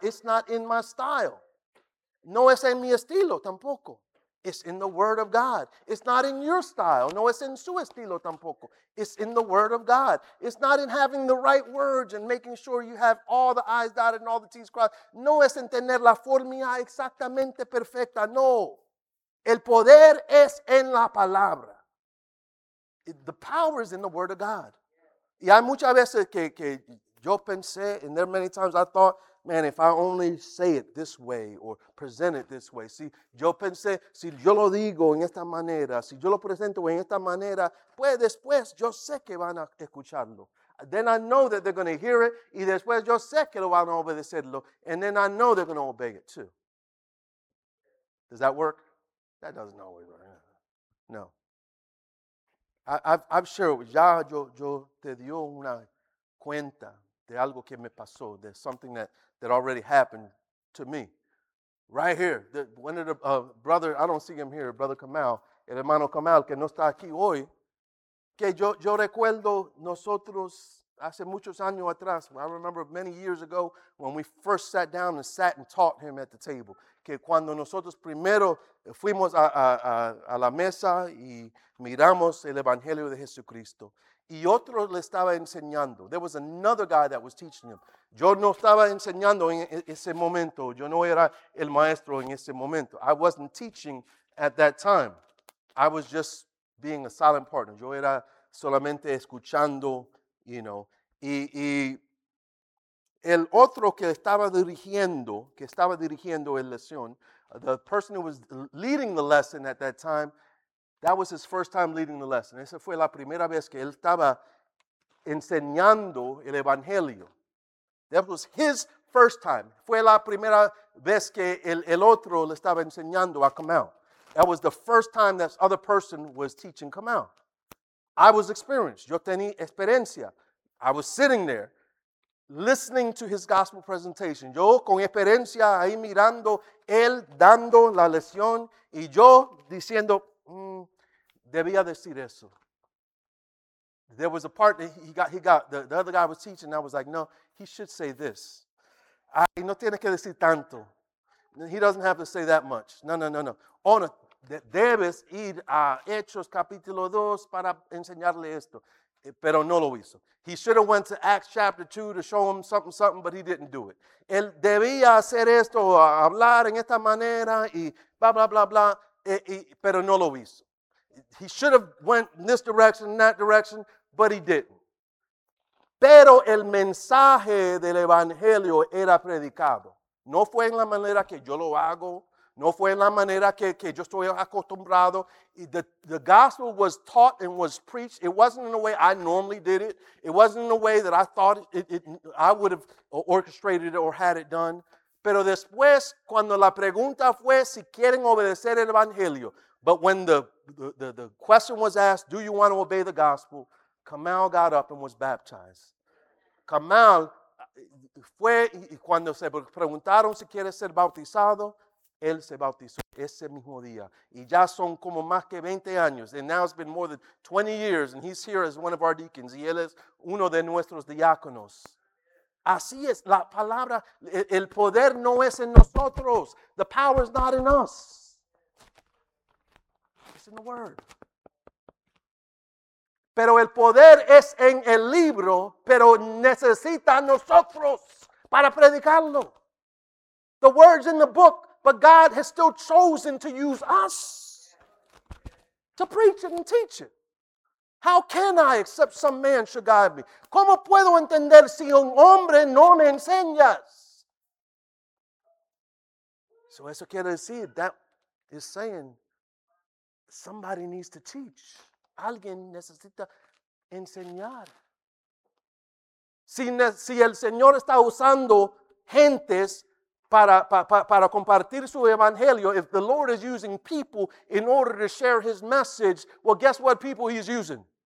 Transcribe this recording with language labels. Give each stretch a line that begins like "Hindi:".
English: It's not in my style.
Spanish: No es en mi estilo tampoco.
English: It's in the word of God. It's not in your style.
Spanish: No es en su estilo tampoco.
English: It's in the word of God. It's not in having the right words and making sure you have all the I's dotted and all the T's crossed.
Spanish: No es en tener la forma exactamente perfecta. No. El poder es en la palabra.
English: The power is in the word of God.
Spanish: Y hay muchas veces que yo pensé,
English: and there are many times I thought, man, if I only say it this way or present it this way.
Spanish: Si yo pensé, si yo lo digo en esta manera, si yo lo presento en esta manera, pues después yo sé que van a escucharlo.
English: Then I know that they're going to hear it,
Spanish: y después yo sé que lo van a obedecerlo,
English: and then I know they're going to obey it too. Does that work? That doesn't always work. No. I'm sure
Spanish: ya yo te dio una cuenta de algo que me pasó, de
English: something that already happened to me. Right here, brother, I don't see him here, brother Kamal,
Spanish: el hermano Kamal, que no está aquí hoy, que yo recuerdo nosotros hace muchos años atrás,
English: I remember many years ago, when we first sat down and sat and taught him at the table,
Spanish: que cuando nosotros primero fuimos a la mesa y miramos el Evangelio de Jesucristo, y otro le estaba enseñando.
English: There was another guy that was teaching him.
Spanish: Yo no estaba enseñando en ese momento. Yo no era el maestro en ese momento.
English: I wasn't teaching at that time. I was just being a silent partner.
Spanish: Yo era solamente escuchando, you know. Y el otro que estaba dirigiendo, el lección,
English: the person who was leading the lesson at that time, that was his first time leading the lesson.
Spanish: Esa fue la primera vez que él estaba enseñando el evangelio.
English: That was his first time.
Spanish: Fue la primera vez que el otro le estaba enseñando a come out.
English: That was the first time that other person was teaching come out. I was experienced.
Spanish: Yo tenía experiencia.
English: I was sitting there listening to his gospel presentation.
Spanish: Yo con experiencia ahí mirando él dando la lección y yo diciendo, debía decir eso.
English: There was a part that the other guy was teaching. I was like, no, he should say this.
Spanish: Ay, no tiene que decir tanto.
English: He doesn't have to say that much. No.
Spanish: Honor, debes ir a Hechos capítulo 2 para enseñarle esto. Pero no lo hizo.
English: He should have went to Acts chapter 2 to show him something, but he didn't do it.
Spanish: Él debía hacer esto, hablar en esta manera y blah, blah, blah, blah, pero no lo hizo.
English: He should have went in this direction, in that direction, but he didn't.
Spanish: Pero el mensaje del evangelio era predicado. No fue en la manera que yo lo hago. No fue en la manera que yo estoy acostumbrado.
English: The gospel was taught and was preached. It wasn't in the way I normally did it. It wasn't in the way that I thought I would have orchestrated it or had it done.
Spanish: Pero después, cuando la pregunta fue si quieren obedecer el evangelio,
English: but when the question was asked, do you want to obey the gospel? Kamal got up and was baptized.
Spanish: Kamal fue, y cuando se preguntaron si quiere ser bautizado, él se bautizó ese mismo día. Y ya son como más que 20 años.
English: And now it's been more than 20 years, and he's here as one of our deacons.
Spanish: Y él es uno de nuestros diáconos. Así es, la palabra, el poder no es en nosotros.
English: The power is not in us. In the word.
Spanish: Pero el poder es en el libro, pero necesita nosotros para predicarlo.
English: The word's in the book, but God has still chosen to use us to preach it and teach it. How can I accept some man should guide me?
Spanish: ¿Cómo puedo entender si un hombre no me enseñas?
English: So
Spanish: eso quiere decir,
English: that is saying, somebody needs to teach.
Spanish: Alguien necesita enseñar. Si el Señor está usando gentes para compartir su evangelio,
English: if the Lord is using people in order to share his message, well, guess what people he's using?